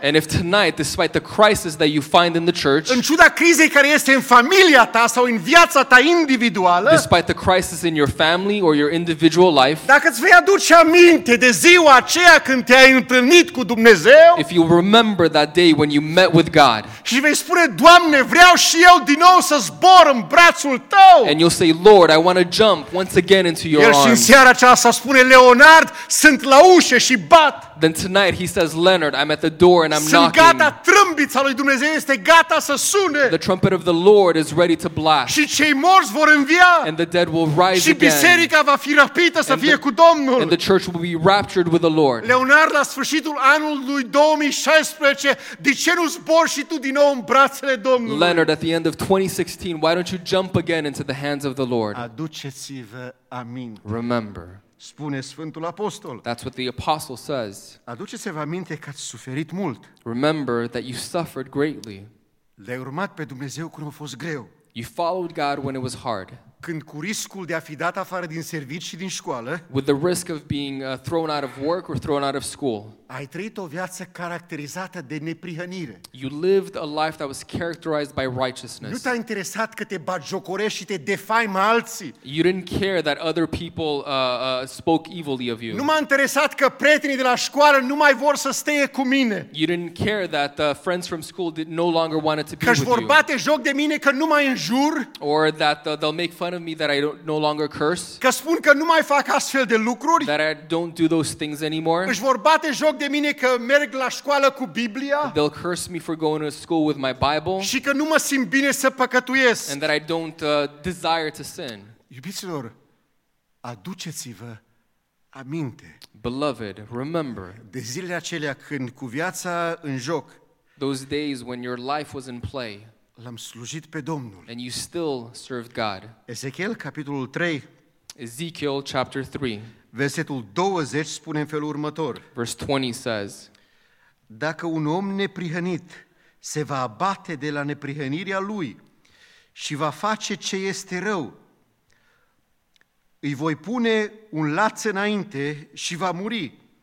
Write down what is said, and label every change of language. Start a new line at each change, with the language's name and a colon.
English: and if tonight, despite the crisis that you find in the church,
Romanian: în ciuda crizei care este în familia ta sau în viața ta individuală,
English: despite the crisis in your family or your individual life,
Romanian: dacă îți vei aduce aminte de ziua aceea când te-ai întâlnit cu Dumnezeu,
English: if you remember that day when you met with God,
Romanian: și vei spune, Doamne, vreau și eu din nou să zbor în brațul tău,
English: and you'll say, Lord, I want to jump once again into your arms.
Romanian: Și în seara aceasta spune, Leonard, sunt la ușă și bat.
English: Then tonight he says, Leonard, I'm at the door and I'm knocking.
Romanian: Sunt gata, trâmbița lui Dumnezeu este gata să sune.
English: The trumpet of the Lord is ready to blast.
Romanian: Și cei morți vor învia.
English: And the dead will rise again.
Romanian: Și biserica va fi rapită să fie cu Domnul.
English: And the church will be raptured with the Lord.
Romanian: Leonard, la sfârșitul anului 2016, de ce nu zbori și tu din nou în brațele Domnului?
English: Leonard, at the end of 2016, why don't you jump again into the hands of the Lord?
Romanian: Aduceți-vă aminte.
English: Remember.
Romanian: Spune Sfântul Apostol.
English: That's what the apostle says.
Romanian: Aduceți-vă aminte că ați suferit mult.
English: Remember that you suffered greatly.
Romanian: L-ai urmat pe Dumnezeu când a fost greu.
English: You followed God when it was hard.
Romanian: Când cu riscul de a fi dat afară din serviciu și din școală.
English: With the risk of being thrown out of work or thrown out of school.
Romanian: Ai trăit o viață caracterizată de neprihănire.
English: You lived a life that was characterized by righteousness.
Romanian: Nu te-a interesat că te batjocorești și te defaimă alții.
English: You didn't care that other people spoke evilly of you.
Romanian: Nu m-a interesat că prietenii de la școală nu mai vor să stea cu mine.
English: You didn't care that friends from school no longer wanted to be with you.
Romanian: Că-și vor bate joc de mine că nu mai înjur.
English: Or that they'll make fun of me that I don't no longer curse.
Romanian: Că spun că nu mai fac astfel de lucruri.
English: That I don't do those things anymore.
Romanian: Își vor bate joc de mine că merg la școală cu Biblia.
English: They'll curse me for going to school with my Bible.
Romanian: Și că nu mă simt bine să păcătuiesc.
English: And that I don't desire to sin.
Romanian: Iubiților, aduceți-vă aminte.
English: Beloved, remember.
Romanian: De zilele acelea când cu viața în joc.
English: Those days when your life was in play.
Romanian: L-am slujit pe Domnul.
English: And you still served God.
Romanian: Ezechiel capitolul 3.
English: Ezekiel chapter 3.
Romanian: Versetul 20 spune în felul următor.
English: Verse 20 says,
Romanian: dacă un om neprihănit se va abate de la neprihănirea lui și va face ce este rău, îi voi pune un laț înainte și va muri.